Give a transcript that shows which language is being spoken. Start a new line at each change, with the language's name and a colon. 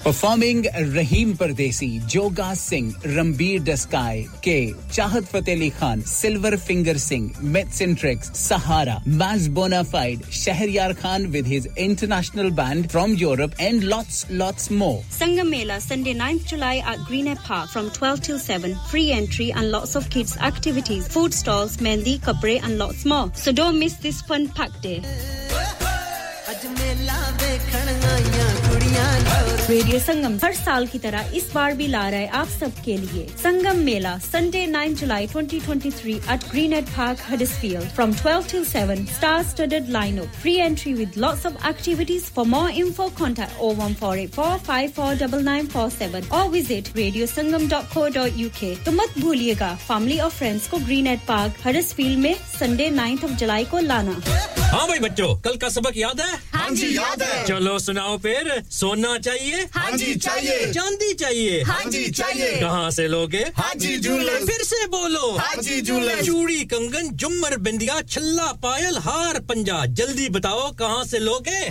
English: performing Rahim Pardesi Joga Singh Ranbir डस्काय के Chahat Fateh Ali Khan silver finger Singh मेटसेंट्रिक्स सहारा मैज bonafide Shahryar Khan with his international band from Europe and lots more Sangam Mela Sunday 9th July at Greenhead Park from 12 till 7 free entry and lots of kids activities food stall
Hindi: mehndi kapre
English: and lots more so don't miss this fun packed day radio sangam
Hindi: har saal ki tarah is baar bhi la rahe aap sab ke liye
English: sangam mela sunday 9 july 2023 at greenhead park huddersfield from 12 till 7 star studded lineup free entry with lots of activities for more info contact 01484549947 or visit radiosangam.co.uk
Hindi: to mat bhuliyega
English: family or friends ko greenhead park huddersfield mein sunday 9th of july
Hindi: ko lana हां भाई बच्चों कल का सबक याद है हां जी याद है चलो सुनाओ फिर सोना चाहिए हां जी चाहिए चांदी चाहिए हां जी चाहिए कहां से लोगे हां जी जूलर्स फिर से बोलो हां जी जूलर्स चूड़ी कंगन जुमर बिंदिया छल्ला पायल हार पंजा जल्दी बताओ कहां से लोगे